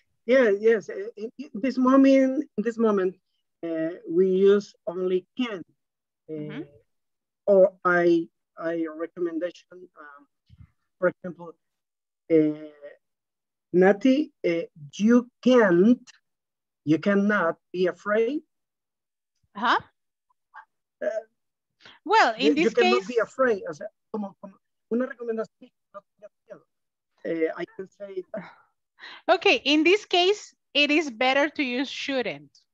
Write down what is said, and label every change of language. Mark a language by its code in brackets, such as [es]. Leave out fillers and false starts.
[en] Yeah, yes, in this moment, we use only can. Mm-hmm. Or I recommendation, for example, Nati, you cannot be afraid. Uh-huh. Well, in this case, you cannot be afraid. [es] O sea, como una recomendación, no tengas miedo. [en] I can say that. Okay, in this case, it is better to use shouldn't.